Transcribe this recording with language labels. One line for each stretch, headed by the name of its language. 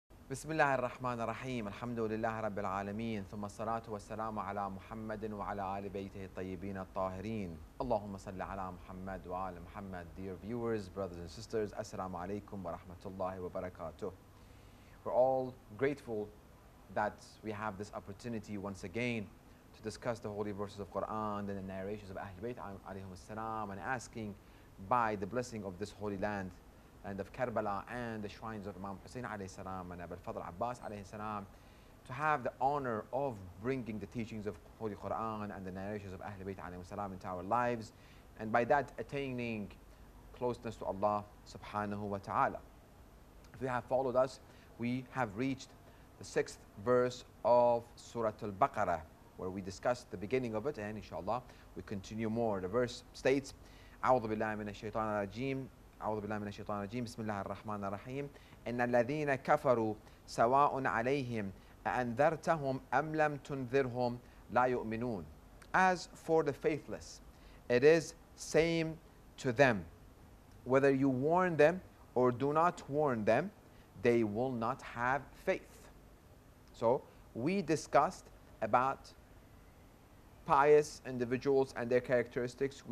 Arabic: بسم الله الرحمن الرحيم، الحمد لله رب العالمين، ثم الصلاة والسلام على محمد وعلى آل بيته الطيبين الطاهرين. اللهم صل على محمد وعلى محمد.
English: Dear viewers, brothers and sisters,
Arabic: السلام عليكم ورحمة الله وبركاته.
English: We're all grateful that we have this opportunity once again to discuss the holy verses of Quran and the narrations of Ahl Bayt alayhim as-salam, and asking by the blessing of this holy land and of Karbala and the shrines of Imam Hussein alayhi salam and Abul Fadl Abbas alayhi salam, to have the honor of bringing the teachings of Holy Quran and the narrations of Ahl Bayt alayhi salam into our lives, and by that attaining closeness to Allah subhanahu wa ta'ala. If you have followed us, we have reached the sixth verse of Surah Al-Baqarah, where we discussed the beginning of it, and inshallah we continue more. The verse states,
Arabic: A'udhu billahi minash shaitan ar-rajim. أعوذ بالله من الشيطان الرجيم بسم الله الرحمن الرحيم إن الذين كفروا سواء عليهم أأنذرتهم أم لم تنذرهم لا يؤمنون.
English: As for the faithless, it is same to them. Whether you warn them or do not warn them, they will not have faith. So we discussed about pious individuals and their characteristics.